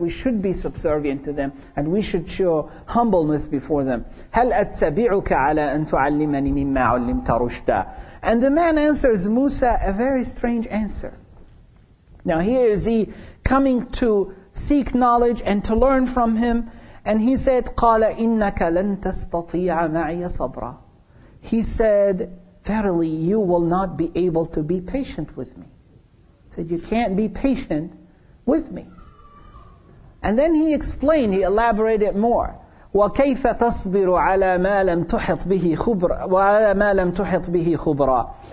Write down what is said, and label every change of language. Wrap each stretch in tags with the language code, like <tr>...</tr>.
<en>We should be subservient to them and we should show humbleness before them.</en> <ar>هَلْ أَتَّبِعُكَ عَلَىٰ أَن تُعَلِّمَنِي مِمَّا عُلِّمْتَ رُشْدًا.</ar> <en>And the man answers Musa a very strange answer. Now here is he coming to seek knowledge and to learn from him. And he said,</en> <ar>قَالَ إِنَّكَ لَن تَسْتَطِيعَ مَعِيَ صَبْرًا.</ar> <en>He said, "Verily, you will not be able to be patient with me." He said, "You can't be patient with me." And then he explained, he elaborated more.</en> <ar>وَكَيْفَ تَصْبِرُ عَلَى مَا لَمْ تُحِطْ بِهِ خُبْرًا وَعَلَى مَا لَمْ تُحِطْ بِهِ خُبْرًا.</ar>